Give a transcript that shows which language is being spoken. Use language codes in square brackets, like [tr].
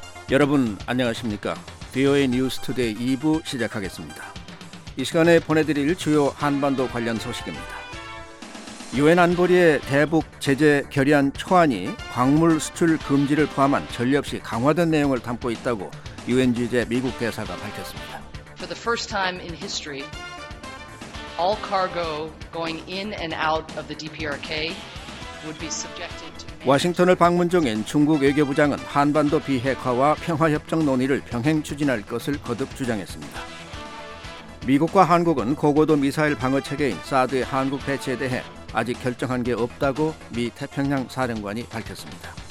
[ko] 여러분 안녕하십니까? VOA News Today 2부 시작하겠습니다. 이 시간에 보내드릴 주요 한반도 관련 소식입니다. 유엔 안보리의 대북 제재 결의안 초안이 광물 수출 금지를 포함한 전례 없이 강화된 내용을 담고 있다고 유엔 주재 미국 대사가 밝혔습니다. [en] For the first time in history, all cargo going in and out of the DPRK would be subjected to. [ko] 워싱턴을 방문 중인 중국 외교부 장은 한반도 비핵화와 평화협정 논의를 병행 추진할 것을 거듭 주장했습니다. 미국과 한국은 고고도 미사일 방어 체계인 사드의 한국 배치에 대해 아직 결정한 게 없다고 미 태평양 사령관이 밝혔습니다.